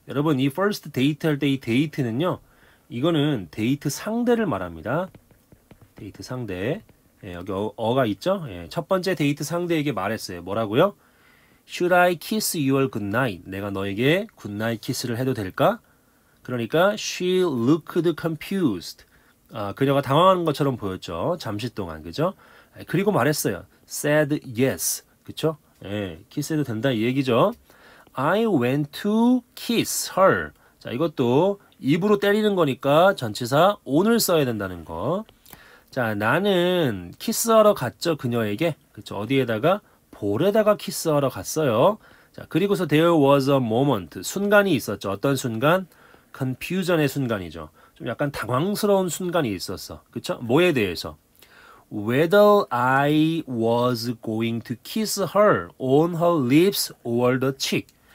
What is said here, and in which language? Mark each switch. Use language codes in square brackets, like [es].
[ko] 여러분, 이 [en] first date [ko] 할 때 이 데이트는요, 이거는 데이트 상대를 말합니다. 데이트 상대. 예, 여기 어가 있죠? 예, 첫 번째 데이트 상대에게 말했어요. 뭐라고요? [en] Should I kiss your goodnight? [ko] 내가 너에게 [en] goodnight kiss [ko] 를 해도 될까? 그러니까 [en] she looked confused. [ko] 아, 그녀가 당황하는 것처럼 보였죠. 잠시 동안. 그죠? 그리고 말했어요. [en] Said yes. [ko] 그쵸? 예, kiss 해도 된다 이 얘기죠. [en] I went to kiss her. [ko] 자, 이것도 입으로 때리는 거니까 전치사 on을 써야 된다는 거. 자, 나는 키스하러 갔죠, 그녀에게. 그쵸, 어디에다가? 볼에다가 키스하러 갔어요. 자, 그리고서 [en] there was a moment. [ko] 순간이 있었죠. 어떤 순간? confusion의 순간이죠. 좀 약간 당황스러운 순간이 있었어. 그쵸? 뭐에 대해서? [en] whether I was going to kiss her on her lips or the cheek.